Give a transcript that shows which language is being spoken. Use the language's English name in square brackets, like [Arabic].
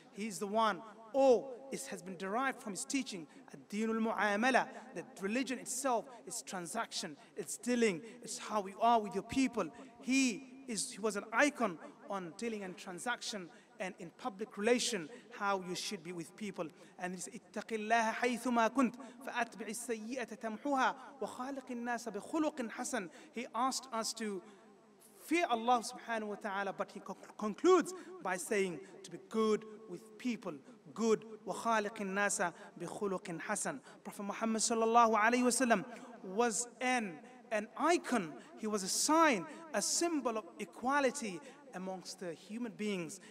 [English] He is the one, this has been derived from his teaching, ad-dinul mu'amala, that religion itself is transaction, it's dealing, it's how we are with your people. He was an icon on dealing and transaction, and in public relation, how you should be with people. And he said, [Arabic] اتَّقِ اللَّهَ حَيْثُمَا كُنْتْ فَأَتْبِعِ السَّيِّئَةَ تَمْحُوهَا وَخَالِقِ النَّاسَ بِخُلُقٍ حَسَنٍ. [English] He asked us to fear Allah subhanahu wa ta'ala, but he concludes by saying to be good with people, good, [Arabic] وَخَالِقِ النَّاسَ بِخُلُقٍ حَسَنٍ. [English] Prophet Muhammad sallallahu alayhi wa sallam was an icon, he was a sign, a symbol of equality amongst the human beings.